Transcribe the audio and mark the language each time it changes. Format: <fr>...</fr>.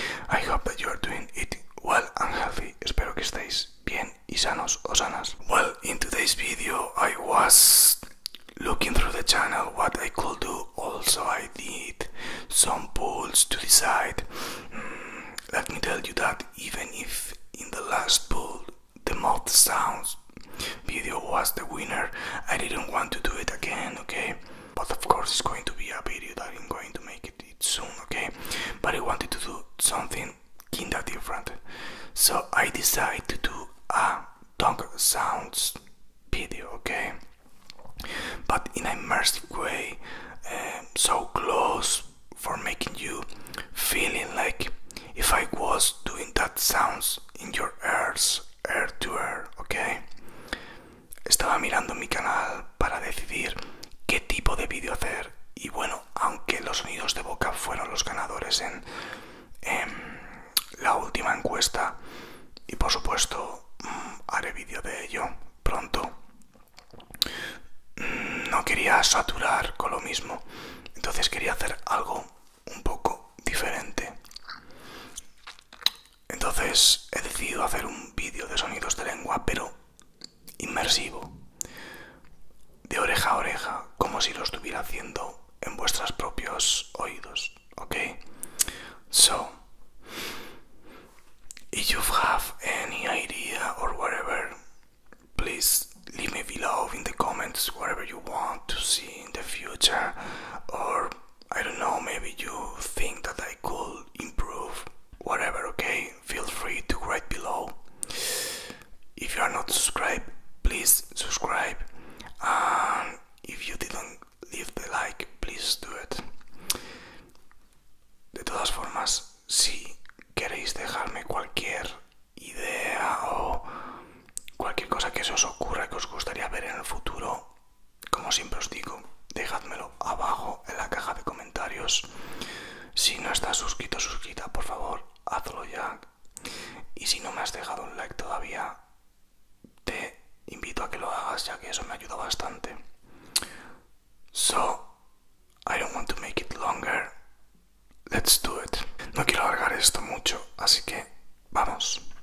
<en>I hope that you are doing it well and healthy.</en> <es>Espero que estéis bien y sanos o sanas.</es> <en>Well, in today's video, I was looking through the channel what I could do. Also, I did some polls to decide. Let me tell you that even if in the last poll the mouth sounds video was the winner, I didn't want to do it again, okay? But of course it's going to be a video that I'm going to make it soon, okay? But I wanted to do something kinda different. So I decided to do a tongue sounds video, okay? But in an immersive way, so close for making you feeling like if I was doing that sounds in your ears, ear to ear, okay?</en> <es>Estaba mirando mi canal para decidir qué tipo de vídeo hacer y bueno, aunque los sonidos de boca fueron los ganadores en la última encuesta y por supuesto haré vídeo de ello pronto, no quería saturar con lo mismo, entonces quería hacer algo un poco diferente. Entonces he decidido hacer un vídeo de sonidos de lengua, pero inmersivo, de oreja a oreja, como si lo estuviera haciendo en vuestros propios oídos, ¿ok?</es> <en>So, if you have any idea or whatever, please leave me below in the comments whatever you want to see in the future, or I don't know, maybe you think that I could improve, whatever, ¿ok? Feel free to write below. If you are not subscribed, please subscribe, and if you didn't leave the like, please do it.</en> <es>De todas formas, si queréis dejarme cualquier idea o cualquier cosa que se os ocurra que os gustaría ver en el futuro, como siempre os digo, dejádmelo abajo en la caja de comentarios. Si no estás suscrito o suscrita, por favor, hazlo ya. Y si no me has dejado un like todavía, te invito a que lo hagas, ya que eso me ayuda bastante.</es> <en>So, I don't want to make it longer. Let's do it.</en> <es>No quiero alargar esto mucho, así que vamos.</es>